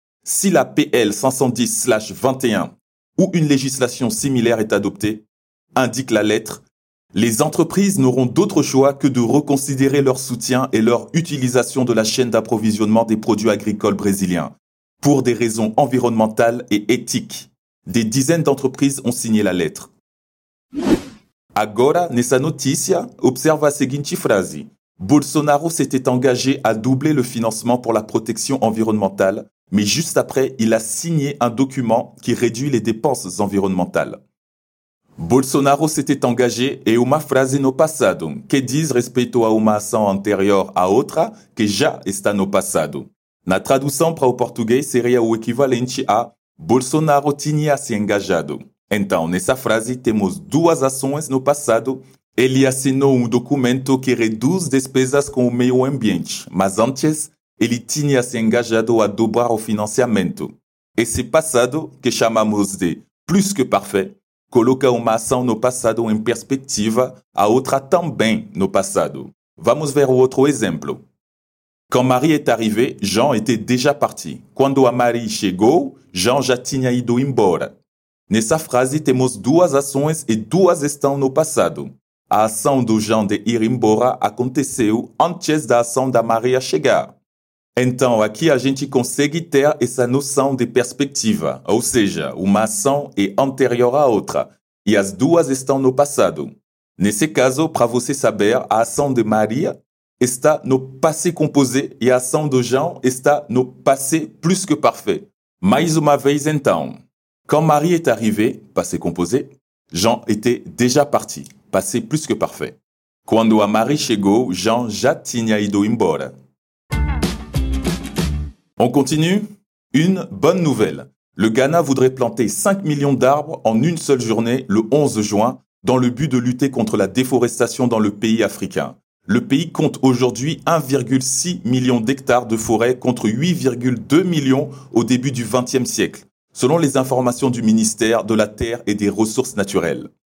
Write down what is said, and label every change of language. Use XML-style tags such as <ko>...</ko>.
<fr>Si la PL 510/21 ou une législation similaire est adoptée, indique la lettre, les entreprises n'auront d'autre choix que de reconsidérer leur soutien et leur utilisation de la chaîne d'approvisionnement des produits agricoles brésiliens, pour des raisons environnementales et éthiques. Des dizaines d'entreprises ont signé la lettre.</fr> <pt>Agora, nessa notícia, observa a seguinte frase.</pt> <fr>Bolsonaro s'était engagé à doubler le financement pour la protection environnementale, mais juste après, il a signé un document qui réduit les dépenses environnementales. Bolsonaro s'était engagé</fr> <pt>« et uma frase no passado, que diz respeito a uma ação anterior a outra, que já está no passado. » Na tradução para o português seria o equivalente a « Bolsonaro tinha se engajado. » Então, nessa frase, temos duas ações no passado. Ele assinou um documento que reduz despesas com o meio ambiente, mas antes, ele tinha se engajado a dobrar o financiamento. Esse passado, que chamamos de plus que parfait. Coloca uma ação no passado em perspectiva, a outra também no passado. Vamos ver o outro exemplo.</pt> <fr>Quand Marie est arrivée, Jean était déjà parti.</fr> <pt>Quando a Marie chegou, Jean já tinha ido embora. Nessa frase, temos duas ações e duas estão no passado. A ação do Jean de ir embora aconteceu antes da ação da Maria chegar. Então, aqui a gente consegue ter essa noção de perspectiva, ou seja, uma ação é anterior à outra, e as duas estão no passado. Nesse caso, para você saber, a ação de Maria está no passé composé e a ação do Jean está no passé plus que parfait. Mais uma vez, então.</pt> <fr>Quand Marie est arrivée, passé composé, Jean était déjà parti, passé plus que parfait.</fr> <pt>Quando a Marie chegou, Jean já tinha ido embora.</pt> <fr>On continue. Une bonne nouvelle. Le Ghana voudrait planter 5 millions d'arbres en une seule journée le 11 juin dans le but de lutter contre la déforestation dans le pays africain. Le pays compte aujourd'hui 1,6 million d'hectares de forêt contre 8,2 millions au début du XXe siècle, selon les informations du ministère de la Terre et des Ressources Naturelles.</fr>